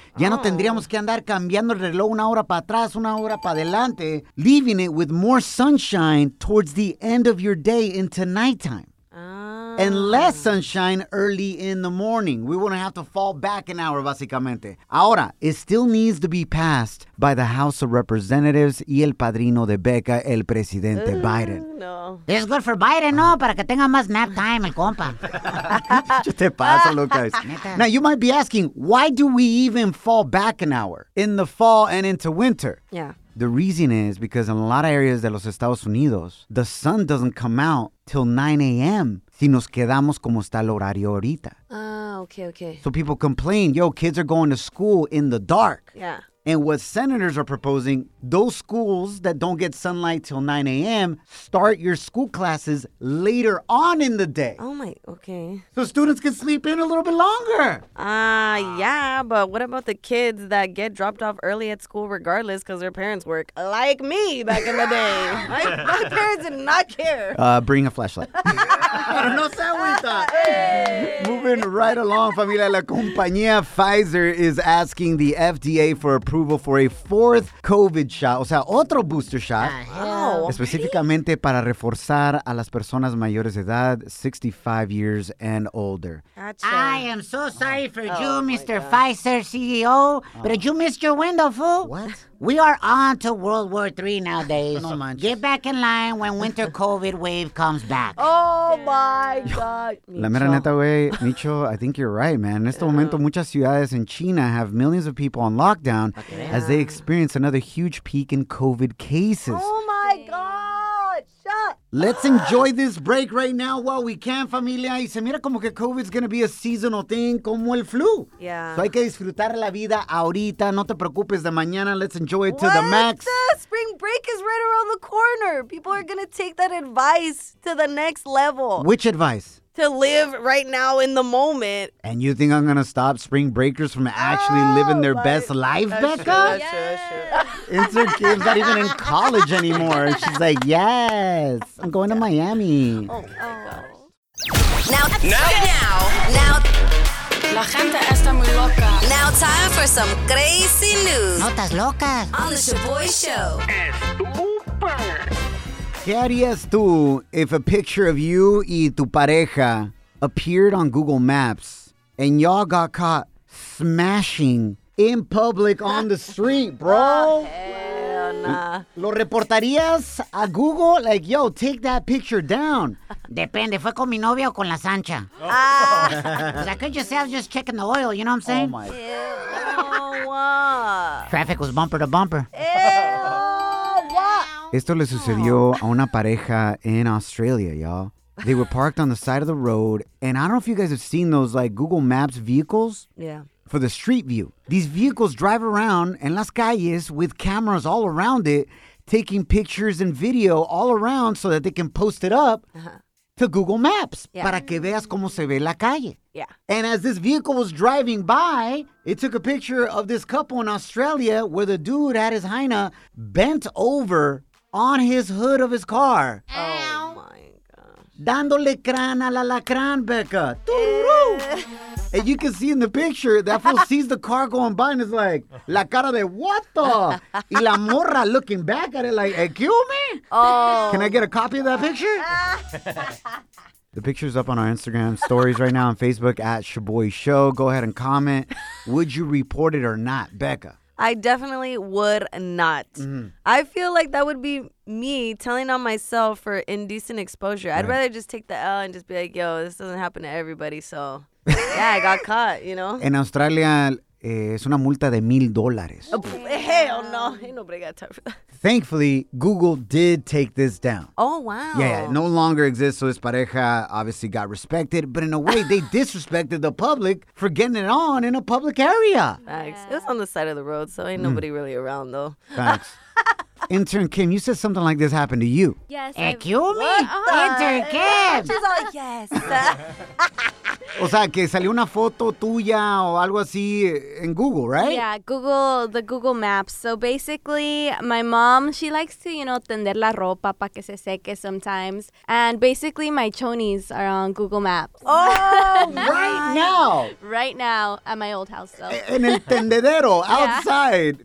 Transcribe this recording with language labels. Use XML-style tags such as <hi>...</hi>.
<es>Ya no tendríamos que andar cambiando el reloj una hora para atrás, una hora para adelante,</es> <en>leaving it with more sunshine towards the end of your day into nighttime. And less sunshine early in the morning. We wouldn't have to fall back an hour,</en> <es>básicamente.</es> <en>Ahora, it still needs to be passed by the House of Representatives</en> <es>y el padrino de Becca, el presidente Biden.</es> <en>No. This is good for Biden, no?</en> <es>Para que tenga más</es> <en>nap time,</en> <es>el compa. ¿Qué te pasa, Lucas?</es> <en>Now, you might be asking, why do we even fall back an hour in the fall and into winter? Yeah. The reason is because in a lot of areas</en> <es>de los Estados Unidos,</es> <en>the sun doesn't come out till 9 a.m.</en> <es>si nos quedamos como está el horario ahorita.</es> <en>Okay. So people complain, yo, kids are going to school in the dark. Yeah. And what senators are proposing, those schools that don't get sunlight till 9 a.m., start your school classes later on in the day. Oh, my, okay. So students can sleep in a little bit longer. Yeah, but what about the kids that get dropped off early at school regardless because their parents work, like me back in the day? my parents did not care. Bring a flashlight.</en> <es>No sé, abuelita.</es> <en>Moving right along, familia,</en> <es>la compañía</es> <en>Pfizer is asking the FDA for approval for a fourth COVID shot,</en> <es>o sea, otro</es> <en>booster shot.</en> <es>Específicamente para reforzar a las personas mayores de edad,</es> <en>65 years and older. Gotcha. I am so sorry for you, Mr. Pfizer CEO, but you missed your window, fool. What? We are on to World War III nowadays.</en> <es>No manches.</es> <en>Get back in line when winter COVID wave comes back. Oh, my God.</en> <es>La mera neta, güey,</es> <en>Micho, I think you're right, man.</en> <es>En este momento, muchas ciudades en China</es> <en>have millions of people on lockdown as they experience another huge peak in COVID cases. Oh, my God. Shut. Let's enjoy this break right now while we can, familia.</en> <es>Y se mira como que</es> <en>COVID's gonna be a seasonal thing,</en> <es>como el flu.</es> <en>Yeah. So</en> <es>hay que disfrutar la vida ahorita. No te preocupes de mañana.</es> <en>Let's enjoy it to the max. What? Spring break is right around the corner. People are gonna take that advice to the next level. Which advice? To live right now in the moment. And you think I'm going to stop spring breakers from actually living their best life, Becca? That's true. Insert kids not even in college anymore. And she's like, yes, I'm going to Miami. Oh, my God. Now.</en> <es>La gente está muy loca.</es> <en>Now time for some crazy news.</en> <es>Notas locas.</es> <en>On the Sha'Boy Show.</en> <es>¿Qué harías tú</es> <en>if a picture of you</en> <es>y tu pareja</es> <en>appeared on Google Maps and y'all got caught smashing in public on the street, bro? Oh, hell nah.</en> <es>¿Lo reportarías a Google?</es> <en>Like, yo, take that picture down.</en> <es>Depende, ¿fue con mi novia o con la Sancha? Ah.</es> <en>I could just say I was just checking the oil, you know what I'm saying? Oh, my. Traffic was bumper to bumper.</en> <es>Esto le sucedió a una pareja</es> <en>in Australia, y'all. They were parked on the side of the road, and I don't know if you guys have seen those, like, Google Maps vehicles for the street view. These vehicles drive around</en> <es>en las calles</es> <en>with cameras all around it, taking pictures and video all around so that they can post it up to Google Maps</en> <es>para que veas cómo se ve la calle.</es> <en>Yeah. And as this vehicle was driving by, it took a picture of this couple in Australia where the dude had his hyena bent over on his hood of his car. Oh, my gosh.</en> <es>Dándole crán a la lacrán, Becca. Doo-doo-doo.</es> <en>And you can see in the picture, that fool sees the car going by and is like,</en> <es>la cara de</es> <en>what the?</en> <es>Y la morra</es> <en>looking back at it like, kill me? Oh. Can I get a copy of that picture? The picture's up on our Instagram stories right now on Facebook at Sha'Boy Show. Go ahead and comment. Would you report it or not, Becca? I definitely would not. Mm-hmm. I feel like that would be me telling on myself for indecent exposure. Right. I'd rather just take the L and just be like, yo, this doesn't happen to everybody. So, yeah, I got caught, you know?</en> <es>In Australia, es una multa de $1,000.</es> <en>Hell no. Ain't nobody got time for that. Thankfully, Google did take this down. Oh, wow. Yeah, it no longer exists. So this pareja obviously got respected. But in a way, they disrespected the public for getting it on in a public area. Thanks. Yeah. It was on the side of the road, so ain't nobody really around, though. Thanks. Intern Kim, you said something like this happened to you. Yes. Hey, kill me? What? Intern Kim. She's all, yes.</en> <es>O sea, que salió una foto tuya o algo así en Google,</es> <en>right? Yeah, Google Maps. So basically, my mom, she likes to, you know,</en> <es>tender la ropa pa que se seque</es> <en>sometimes. And basically, my chonies are on Google Maps. Oh, right now. Right now at my old house, though.</en> <es>En el tendedero,</es> <en>outside.</en>